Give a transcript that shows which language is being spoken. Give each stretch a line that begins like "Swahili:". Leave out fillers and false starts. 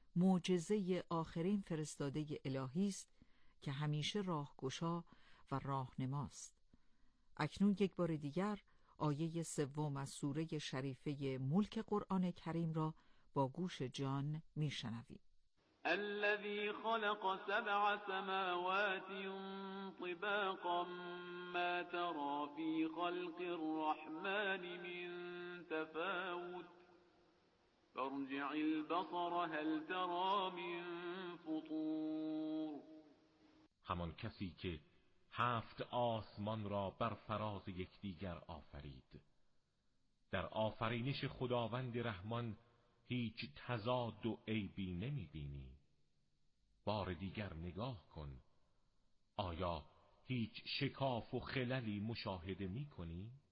Persian: معجزه آخرین فرستاده الهی است که همیشه راهگشا و راهنماست. اکنون یک بار دیگر آیه سوم از سوره شریفه ملک قرآن کریم را با گوش جان می شنوید.
Arabic: الذي خلق سبع سماوات طباقا ما ترى في خلق الرحمن من تفاوت فارجع البصر هل ترى من فطور.
Persian: همان کسی که هفت آسمان را بر فراز یکدیگر آفرید، در آفرینش خداوند رحمان هیچ تضاد و عیبی نمی بینی؟ بار دیگر نگاه کن، آیا هیچ شکاف و خللی مشاهده می کنی؟